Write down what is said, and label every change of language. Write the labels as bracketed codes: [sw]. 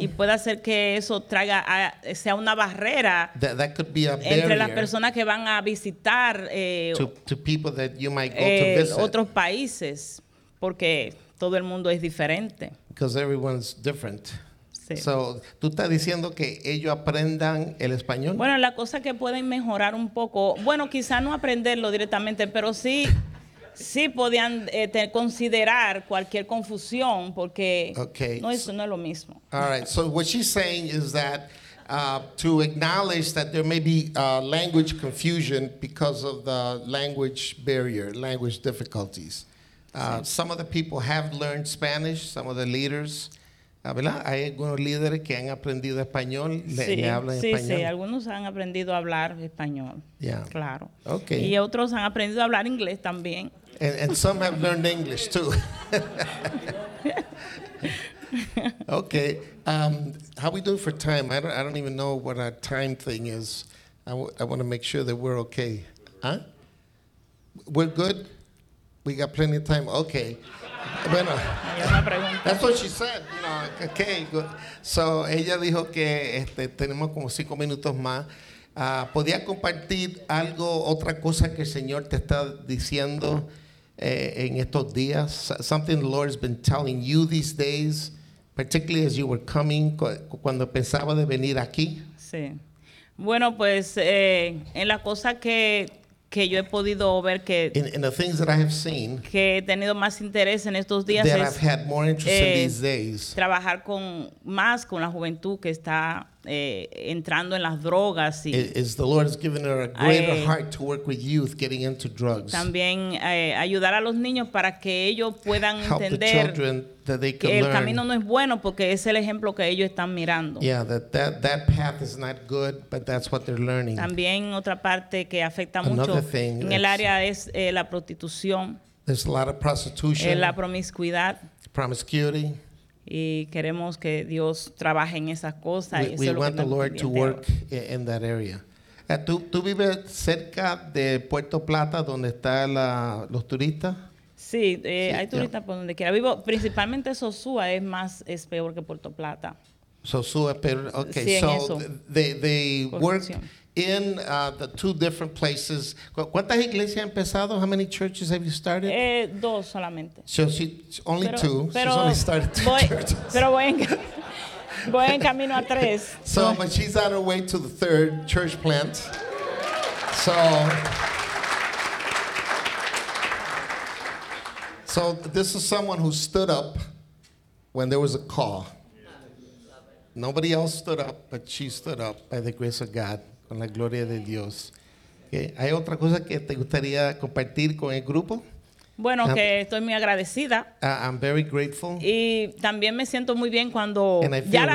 [es] Y puede hacer que eso traiga sea una barrera [en] that could be a barrier [es] entre las personas que van a visitar [en] to people that you might go to visit. [es] Otros países, porque todo el mundo es diferente. [en] Because everyone's different. [es] Sí. So, ¿tú estás diciendo que ellos aprendan el español? Bueno, la cosa que pueden mejorar un poco, bueno, quizá no aprenderlo directamente, pero sí, sí podían considerar cualquier confusión, porque [en] okay. [es] No es lo mismo. [en] All right, so what she's saying is that to acknowledge that there may be language confusion because of the language barrier, language difficulties. [es] Sí. [en] Some of the people have learned Spanish, some of the leaders. [es] ¿Verdad? Hay algunos líderes que han aprendido español, le hablan sí, español. Sí, sí, algunos han aprendido a hablar español. [en] Yeah. [es] Claro. [en] Okay. [es] Y otros han aprendido a hablar inglés también. [en] And some have learned English too. Okay. How we doing for time? I don't even know what our time thing is. I want to make sure that we're okay. ¿Ah? We're good? We got plenty of time. Okay. Bueno. That's what she said. You know, okay, good. [es] So ella dijo que este, tenemos como 5 minutos más. ¿Podía compartir algo, otra cosa que el Señor te está diciendo en estos días? [en] Something the Lord has been telling you these days, particularly as you were coming, [es] cuando pensaba de venir aquí. Sí. Bueno, pues en la cosa que yo he podido ver que [en] in the things that I have seen, [es] que he tenido más interés en estos días, [en] that I've had more interest in these days, [es] trabajar con más con la juventud que está entrando en las drogas, y [en] is the Lord has given her a greater heart to work with youth getting into drugs. [es] También ayudar a los niños para que ellos puedan [en] help [es] entender [en] the children, that they can [es] el [en] learn. [es] Camino no es bueno porque es el ejemplo que ellos están mirando. [en] Yeah, that path is not good, but that's what they're learning. [es] También otra parte que afecta [en] another [es] mucho en el área es la prostitución. [en] There's a lot of prostitution. [es] La promiscuidad. [en] Promiscuity. [es] Y queremos que Dios trabaje en esas cosas. [en] We want the Lord to work in that area. [es] ¿Tú vives cerca de Puerto Plata, donde están los turistas? Sí, hay turistas por donde quiera. Vivo principalmente Sosúa, es peor que Puerto Plata. Sosúa, pero okay. [en] so they work in the two different places. [es] ¿Cuántas iglesias han empezado? [en] How many churches have you started? [es] Dos solamente. [en] So she only [es] pero, [en] two. [es] Pero [en] she's only started two churches. [es] Pero voy en camino a tres. [en] So but she's on her way to the third church plant. So. So this is someone who stood up when there was a call. Nobody else stood up, but she stood up by the grace of God, [es] con la gloria de Dios. [en] Okay. [es] ¿Hay otra cosa que te gustaría compartir con el grupo? Bueno, que estoy muy agradecida. I'm very grateful. Y también me siento muy bien cuando ya la